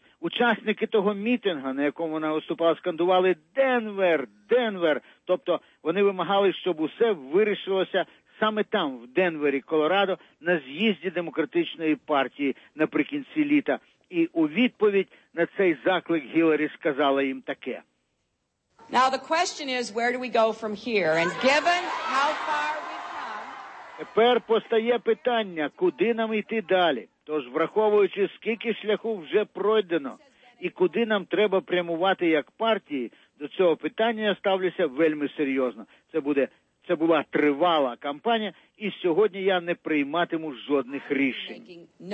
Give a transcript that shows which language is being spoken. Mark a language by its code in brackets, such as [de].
[uk] Учасники того мітинга, на якому вона виступала, скандували «Денвер! Денвер!». Тобто вони вимагали, щоб усе вирішилося саме там, в Денвері, Колорадо, на з'їзді Демократичної партії наприкінці літа. І у відповідь на цей заклик Гіларі сказала їм таке. [en] Now the question is, where do we go from here? And given how far we've come... [uk] Тепер постає питання, куди нам йти далі? Тож, враховуючи, скільки шляху вже пройдено, і куди нам треба прямувати як партії, до цього питання я ставлюся вельми серйозно. Це була тривала кампанія, і сьогодні я не прийматиму жодних рішень.